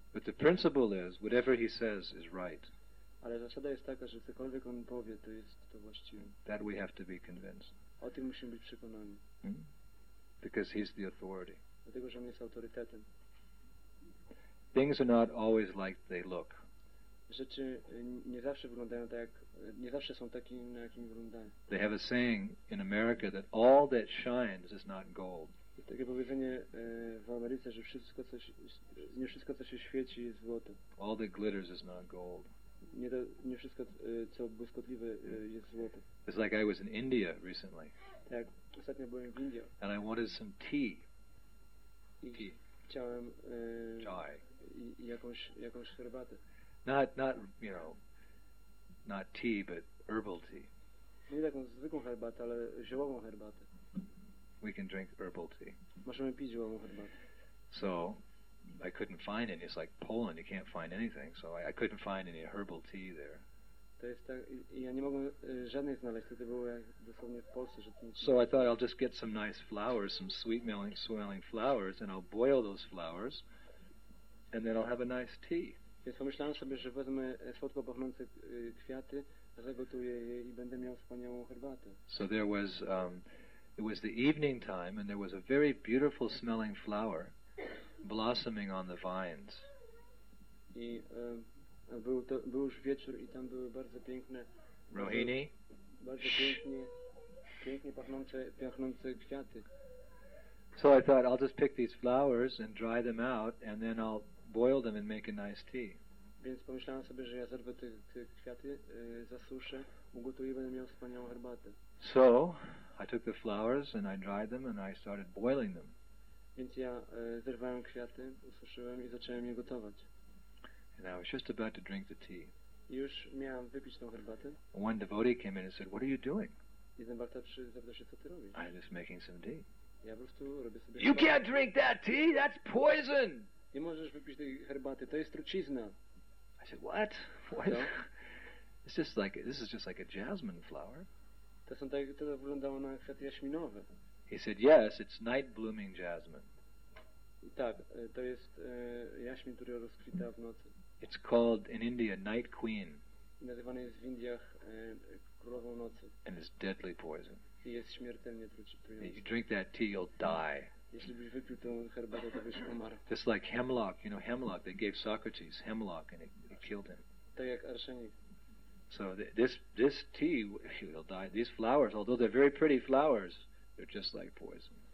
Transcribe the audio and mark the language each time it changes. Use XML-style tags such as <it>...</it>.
<en>But the principle is, whatever he says is right.</en> <pl>Ale zasada jest taka, że cokolwiek on powie, to jest to właściwe.</pl> <en>That we have to be convinced.</en> <pl>O tym musimy być przekonani.</pl> <en>Because he's the authority.</en> <pl>Dlatego, że on jest autorytetem.</pl> <en>Things are not always like they look.</en> <pl>Rzeczy nie zawsze wyglądają tak, jak, nie zawsze są takie, na jakim wyglądają.</pl> <en>They have a saying in America that all that shines is not gold.</en> <pl>Jest takie powiedzenie w Ameryce, że wszystko, co się, nie wszystko, co się świeci, jest złoto.</pl> <en>All that glitters is not gold.</en> <pl>Nie, to, nie wszystko, co błyskotliwe, jest złoto.</pl> <en>It's like I was in India recently.</en> <pl>Tak, ostatnio byłem w Indii.</pl> <en>And I wanted some tea. Tea.</en> <pl>Chciałem</pl> <hi>chai.</hi> <pl>Jakąś herbatę.</pl> <en>Not you know, not tea, but herbal tea.</en> <pl>Nie taką zwykłą herbatę, ale ziołową herbatę.</pl> <en>We can drink herbal tea.</en> <pl>Możemy pić ziołową herbatę.</pl> <en>So I couldn't find any. It's like Poland, you can't find anything. So I couldn't find any herbal tea there.</en> <pl>To jest tak, ja nie mogłem żadnej znaleźć, to było jak dosłownie w Polsce, że tam.</pl> <en>So I thought I'll just get some nice flowers, some sweet smelling, swirling flowers, and I'll boil those flowers, and then I'll have a nice tea.</en> <pl>Więc pomyślałem sobie, że wezmę słodko pachnące kwiaty, zagotuję je i będę miał wspaniałą herbatę.</pl> <en>So there was it was the evening time and there was a very beautiful smelling flower blossoming on the vines.</en> <pl>I był już wieczór i tam były bardzo piękne Rohini. Bardzo pięknie pachnące kwiaty.</pl> <en>So I thought I'll just pick these flowers and dry them out and then I'll boil them and make a nice tea.</en> <pl>Więc pomyślałem sobie, że ja zerwę te kwiaty, zasuszę, ugotuję i będę miał wspaniałą herbatę.</pl> <en>So I took the flowers and I dried them and I started boiling them.</en> <pl>Więc ja zerwałem kwiaty, ususzyłem i zacząłem je gotować.</pl> <en>And I was just about to drink the tea.</en> <pl>Już miałem wypić tą herbatę.</pl> <en>One devotee came in and said, "What are you doing?"</en> <pl>Jeden bartacz zapytał się, co ty robisz.</pl> <en>I'm just making some tea.</en> <pl>Ja po prostu robię sobie</pl> <en>You</en> <pl>herbatę.</pl> <en>Can't drink that tea, that's poison!</en> <pl>Nie możesz wypić tej herbaty, to jest trucizna.</pl> <en>I said, "What? What?" It's just like this is just like a jasmine flower.</en> <pl>To są tak, to wyglądało na kwiaty jaśminowe.</pl> <en>He said, "Yes, it's night blooming jasmine."</en> <pl>I tak, to jest jaśmin, który rozkwita w nocy.</pl> <en>It's called in India night queen.</en> <pl>I nazywany jest w Indiach królową nocy.</pl> <en>And it's deadly poison.</en> <pl>I jest śmiertelnie trujące.</pl> <en>If you drink that tea, you'll die.</en> <pl>Jeśli byś wypił tą herbatę, to byś umarł.</pl> <en>Just like hemlock, you know, hemlock, they gave Socrates hemlock and it killed him.</en> <pl>Tak jak arszenik.</pl> <en>So this tea, he'll die. These flowers, although they're very pretty flowers, they're just like poison.</en>